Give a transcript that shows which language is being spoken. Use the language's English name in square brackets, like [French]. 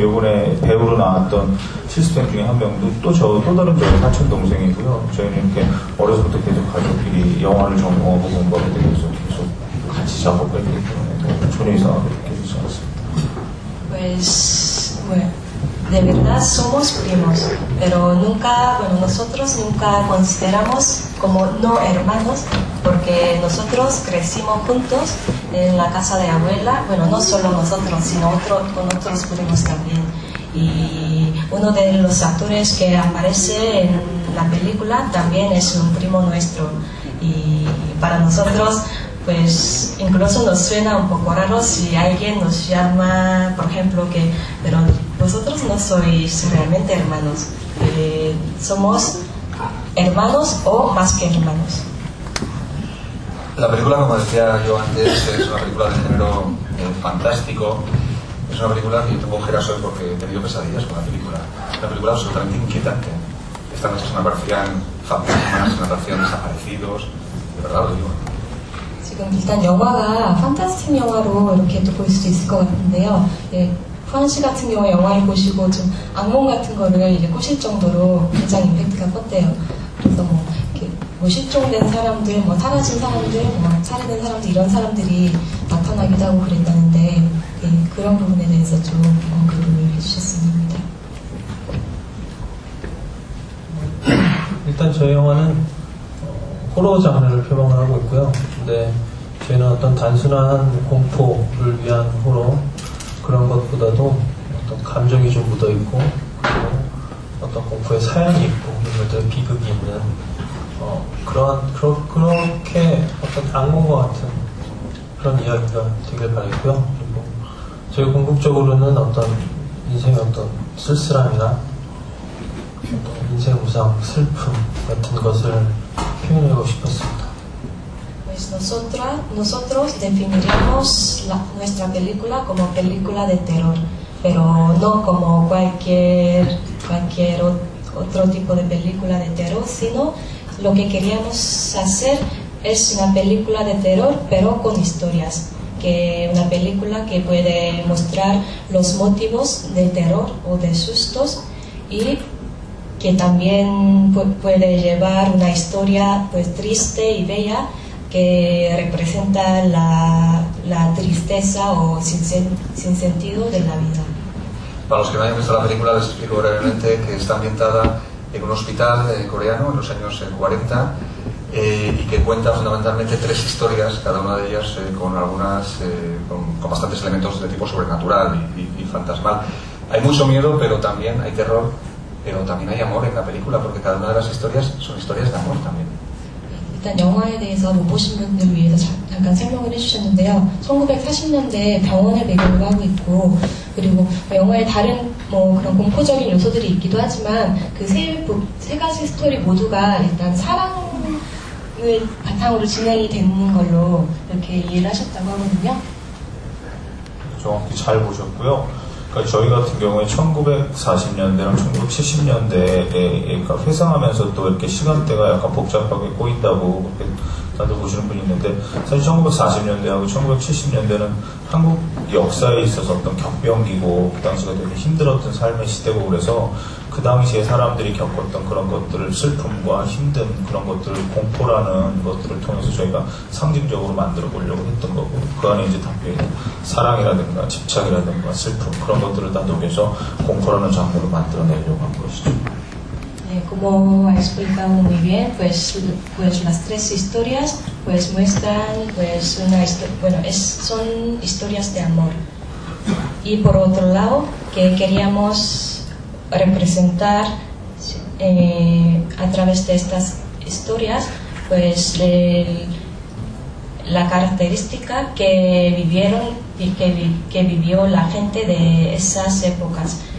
[Korean] 요번에 배우로 나왔던 실습생 중에 한 명도 또 다른 저희 사촌 동생이고요. 저희는 이렇게 어려서부터 계속 가족끼리 영화를 전공하고 공부하게 되면서 계속 같이 작업을 했기 때문에 전혀 이상하게 느껴지지 않았습니다. 왜? [Spanish] De verdad somos primos, pero nunca, bueno, nosotros nunca consideramos como no hermanos, porque nosotros crecimos juntos en la casa de abuela, bueno, no solo nosotros, sino con otros primos también. Y uno de los actores que aparece en la película también es un primo nuestro. Y para nosotros, pues incluso nos suena un poco raro si alguien nos llama, por ejemplo, que... Pero, vosotros no sois realmente hermanos, somos hermanos o más que hermanos. La película, como decía yo antes, es una película de género fantástico. Es una película que yo tengo ojeras hoy porque he tenido pesadillas con la película. Una película absolutamente inquietante. Estas noches me aparecían fantasmas, narraciones, desaparecidos. De verdad lo digo. [Korean] 지금 일단 영화가 fantastic 영화로 이렇게 또 볼 수 있을 것 같은데요. 황 씨 같은 경우 영화를 보시고 좀 악몽 같은 거를 이제 꾸실 정도로 굉장히 임팩트가 컸대요. 그래서 뭐 이렇게 뭐 실종된 사람들, 뭐 사라진 사람들, 뭐 살해된 사람들 이런 사람들이 나타나기도 하고 그랬다는데 예, 그런 부분에 대해서 좀 언급을 해주셨습니다. 일단 저희 영화는 호러 장르를 표방을 하고 있고요. 근데 저희는 어떤 단순한 공포를 위한 호러 그런 것보다도 어떤 감정이 좀 묻어 있고, 그리고 어떤 공포의 사연이 있고, 이런 것들 비극이 있는, 그렇게 어떤 악몽과 같은 그런 이야기가 되길 바라겠고요. 그리고 저희 궁극적으로는 어떤 인생의 어떤 쓸쓸함이나, 어떤 인생 무상, 슬픔 같은 것을 표현하고 싶었습니다. [Spanish] Pues nosotros definiríamos nuestra película como película de terror, pero no como cualquier otro tipo de película de terror, sino lo que queríamos hacer es una película de terror, pero con historias, que una película que puede mostrar los motivos de terror o de sustos y que también puede llevar una historia pues, triste y bella, que representa la tristeza o sin sentido de la vida. Para los que no hayan visto la película, les explico brevemente que está ambientada en un hospital coreano en los años 40 y que cuenta fundamentalmente tres historias, cada una de ellas con bastantes elementos de tipo sobrenatural y fantasmal. Hay mucho miedo, pero también hay terror, pero también hay amor en la película, porque cada una de las historias son historias de amor también. [Korean] 일단 영화에 대해서 못 보신 분들을 위해서 잠깐 설명을 해주셨는데요. 1940년대 병원을 배경으로 하고 있고, 그리고 영화의 다른 뭐 그런 공포적인 요소들이 있기도 하지만 그 세 가지 스토리 모두가 일단 사랑 그 바탕으로 진행이 되는 걸로 이렇게 이해를 하셨다고 하거든요. 정확히 잘 보셨고요. 저희 같은 경우에 1940년대랑 1970년대에 그러니까 회상하면서 또 이렇게 시간대가 약간 복잡하게 꼬인다고 그렇게 다들 보시는 분이 있는데, 사실 1940년대하고 1970년대는 한국 역사에 있어서 어떤 격변기고 그 당시가 되게 힘들었던 삶의 시대고, 그래서 그 당시에 사람들이 겪었던 그런 것들을, 슬픔과 힘든 그런 것들을, 공포라는 것들을 통해서 저희가 상징적으로 만들어 보려고 했던 거고, 그 안에 이제 담겨 있는 사랑이라든가 집착이라든가 슬픔 그런 것들을 다 녹여서 공포라는 장르로 만들어내려고 한 것이죠. [Spanish] Como ha explicado muy bien, pues las tres historias pues muestran pues una historia, bueno, son historias de amor. Y por otro lado, que queríamos representar a través de estas historias pues la característica que vivieron y que vivió la gente de esas épocas.